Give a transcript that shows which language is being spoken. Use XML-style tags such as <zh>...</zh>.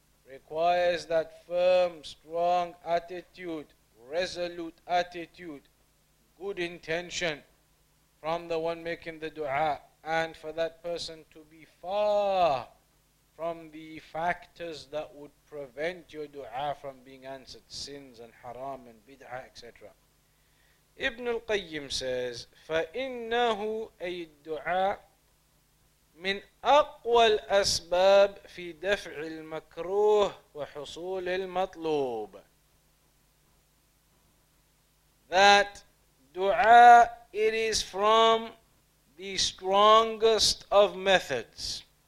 <en>Requires that firm, strong attitude, resolute attitude, good intention from the one making the dua, and for that person to be far from the factors that would prevent your dua from being answered, sins and haram and bid'ah, etc. Ibn al-Qayyim says,</en> <ar>فَإِنَّهُ أَيِ الدُّعَى من أقوى الأسباب في دفع المكروه وحصول المطلوب.</ar> <en>That dua, it is from the strongest of methods.</en>